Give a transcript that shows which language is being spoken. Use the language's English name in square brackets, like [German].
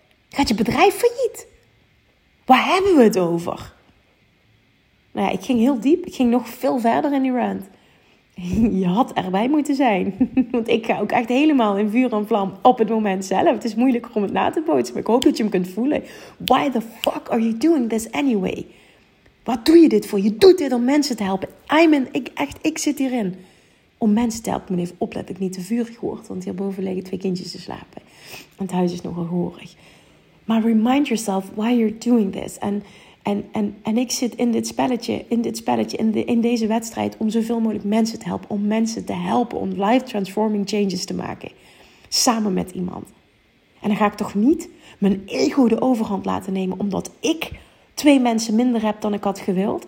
[Dutch] Gaat je bedrijf failliet? Waar hebben we het over? Nou ja, ik ging heel diep. Ik ging nog veel verder in die rant. Je had erbij moeten zijn. Want ik ga ook echt helemaal in vuur en vlam op het moment zelf. Het is moeilijker om het na te bootsen, maar ik hoop dat je hem kunt voelen. [English] Why the fuck are you doing this anyway? [Dutch] Wat doe je dit voor? Je doet dit om mensen te helpen. Ik zit hierin. Om mensen te helpen. Meneer, oplet dat ik niet te vurig word. Want hierboven liggen 2 kindjes te slapen. En het huis is nogal horig. Maar [English] remind yourself why you're doing this. [Dutch] En ik zit in dit spelletje, in deze wedstrijd om zoveel mogelijk mensen te helpen. Om mensen te helpen, om [English] life transforming changes [Dutch] te maken. Samen met iemand. En dan ga ik toch niet mijn ego de overhand laten nemen omdat ik 2 mensen minder heb dan ik had gewild.